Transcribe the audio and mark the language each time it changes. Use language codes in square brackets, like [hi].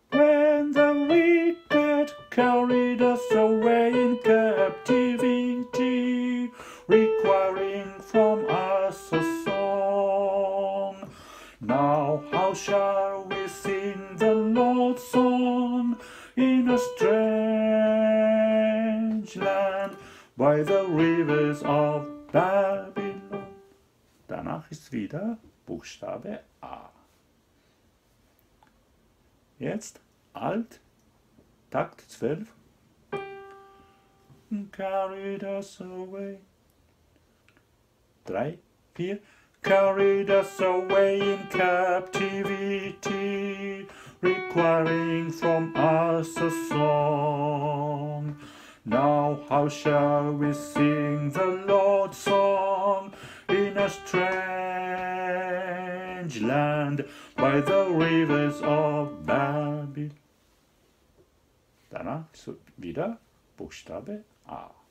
[en] When the wicked carried us away in captivity, requiring from us a song, now how shall we sing the Lord's song in a strange land by the rivers of Babylon? [de] Danach ist wieder Buchstabe A. Jetzt Alt, Takt 12. [en] Carried us away. 3, 4. Carried us away in captivity, requiring from us a song. Now how shall we sing the Lord's song in a strange land by the rivers of Babylon? [de] Danach wieder Buchstabe A.